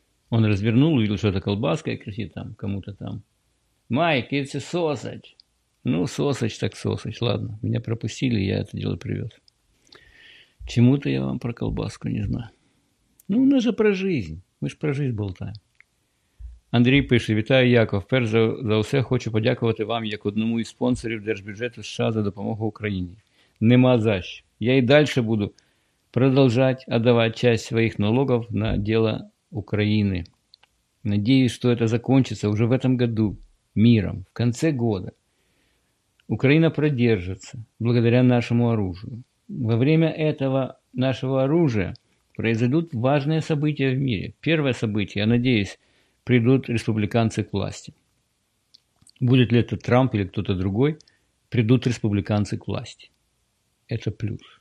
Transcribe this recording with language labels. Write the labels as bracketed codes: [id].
[ru] Он развернул, увидел, что это колбаска, и кричит там кому-то там, Майк, [en] it's a sausage. [ru] Ну, сосач так сосач, ладно, меня пропустили, я это дело привез. Чему-то я вам про колбаску не знаю. Ну, у нас же про жизнь, мы же про жизнь болтаем. [uk] Андрій пише, вітаю, Яков. Перш за все хочу подякувати вам, як одному із спонсорів Держбюджету США за допомогу Україні. Нема за що. Я і далі буду продовжувати віддавати частину своїх налогів на діло України. Надіюсь, що це закінчиться вже в цьому році міром, в кінці року. [ru] Україна продержиться благодаря нашому оружию. Во время этого нашого оружия произойдут важные события в мире. Первое событие, я надеюсь, придут республиканцы к власти. Будет ли это Трамп или кто-то другой, придут республиканцы к власти. Это плюс.